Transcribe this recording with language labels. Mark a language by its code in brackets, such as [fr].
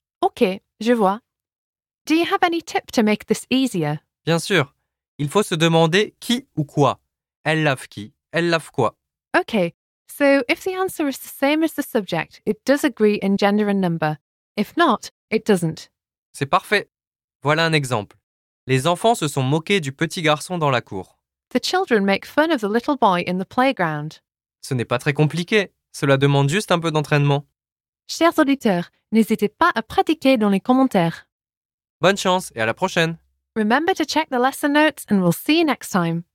[fr] Ok, je vois. [en] Do you have any tip to make this easier? [fr] Bien sûr. Il faut se demander qui ou quoi. Elle lave qui, elle lave quoi. [en] Ok, so if the answer is the same as the subject, it does agree in gender and number. If not, it doesn't. [fr] C'est parfait. Voilà un exemple. Les enfants se sont moqués du petit garçon dans la cour. [en] The children make fun of the little boy in the playground. [fr] Ce n'est pas très compliqué. Cela demande juste un peu d'entraînement. Chers auditeurs, n'hésitez pas à pratiquer dans les commentaires. Bonne chance et à la prochaine. [en] Remember to check the lesson notes and we'll see you next time.